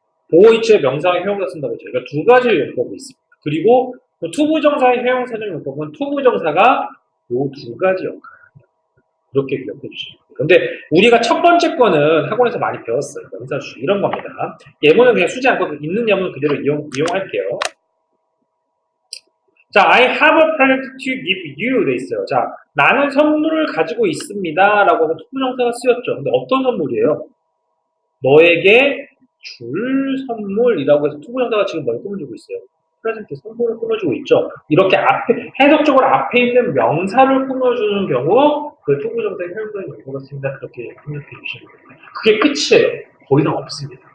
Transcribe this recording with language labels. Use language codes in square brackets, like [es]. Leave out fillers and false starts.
[ko] 보호이체 명사와 형용사 쓴다고 했죠. 그러니까 두 가지 용법이 있습니다. 그리고 투부정사의 형용사는 용법은 투부정사가 요 두 가지 역할을 합니다. 이렇게 기억해 주시면 됩니다. 근데 우리가 첫 번째 거는 학원에서 많이 배웠어요. 명사 수식 이런 겁니다. 예문은 그냥 쓰지 않고 있는 예문 그대로 이용할게요. 자, [en] I have a present to give you [ko] 돼 있어요. 자, 나는 선물을 가지고 있습니다 라고 투부정사가 쓰였죠. 근데 어떤 선물이에요? 너에게 줄 선물이라고 해서 투부정사가 지금 뭘 꾸며주고 있어요? 프레젠트 선물을 꾸며주고 있죠. 이렇게 앞에 해석적으로 앞에 있는 명사를 꾸며주는 경우 그 투부정사의 형용사인 것 같습니다. 그렇게 생각해 주시면 됩니다. 그게 끝이에요. 거의 다 없습니다.